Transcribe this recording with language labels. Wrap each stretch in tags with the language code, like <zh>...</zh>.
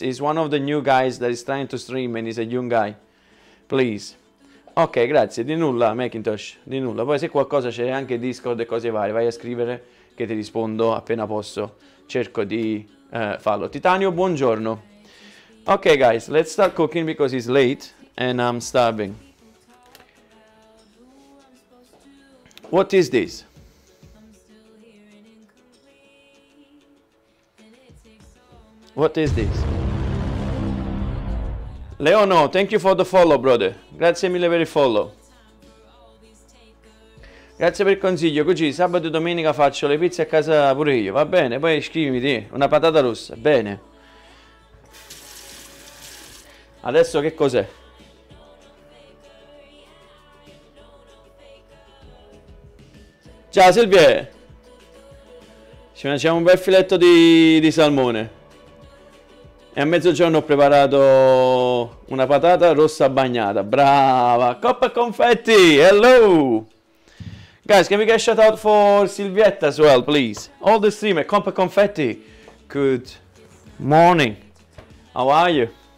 <en>He's one of the new guys that is trying to stream and he's a young guy.</en> <it>Please. Ok, grazie, di nulla Macintosh, di nulla. Poi se qualcosa c'è anche Discord e cose varie, vai a scrivere che ti rispondo appena posso. Cerco di farlo. Titanio, buongiorno.</it> <en>Ok guys, let's start cooking because it's late and I'm starving. What is this? What is this? Leono, thank you for the follow, brother.</en> <it>Grazie mille per il follow. Grazie per il consiglio. Così sabato e domenica faccio le pizze a casa pure io. Va bene, poi scrivimi di una patata rossa. Bene. Adesso che cos'è? Ciao Silvia, ci mangiamo un bel filetto di salmone, e a mezzogiorno ho preparato una patata rossa bagnata, brava, coppa e confetti, hello!</it> <en>Guys, can we get a shout out for Silvietta as well, please? All the streamer, coppa e confetti, good morning, how are you?</en>